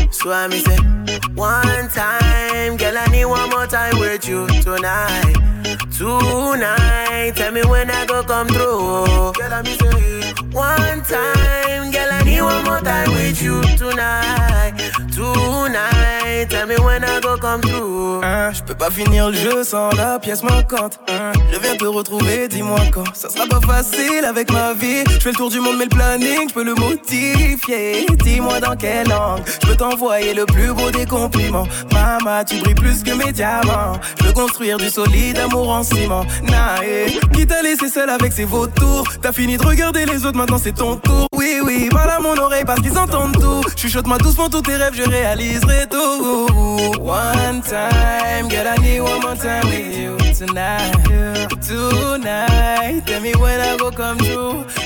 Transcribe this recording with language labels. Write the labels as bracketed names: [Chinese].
[English] So I me say, one time, girl, I need one more time with you tonight. Tonight, tell me when I go come through. Girl, I me say, one time, girl, I need one more time with you tonight. Tonight, tell me when I go come through. [French] Je peux pas finir le jeu sans la pièce manquante. Je viens te retrouver, dis-moi quand. Ça sera pas facile avec ma vie. Je fais le tour du monde, mais le planning, je peux le modifier. Dis-moi dans quel angle. Je peux t'envoyer le plus beau des compliments. Mama, tu brilles plus que mes diamants. Je veux construire du solide amour en ciment. Nae, qui t'a laissé seul avec ses vautours. T'as fini de regarder les autres, maintenant c'est ton tour. Oui, oui, mal à mon oreille parce qu'ils entendent tout. Chuchote-moi doucement tous tes rêves, je réaliserai tout. [English] One time, girl, I need one more time with you tonight. Tonight, tell me when I go come through.